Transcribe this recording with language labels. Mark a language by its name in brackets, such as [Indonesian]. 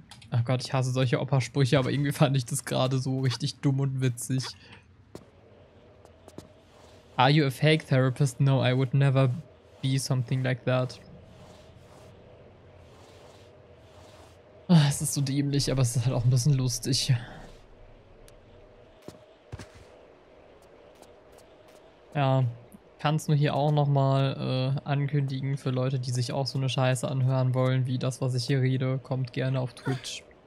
[German] Ach Gott, ich hasse solche Opa-Sprüche, aber irgendwie fand ich das gerade so richtig dumm und witzig. [English] Are you a fake therapist? No, I would never be something like that. [German] Es ist so dämlich, aber es ist halt auch ein bisschen lustig. Ja, kann es nur hier auch nochmal ankündigen für Leute, die sich auch so eine Scheiße anhören wollen, wie das, was ich hier rede, kommt gerne auf Twitch.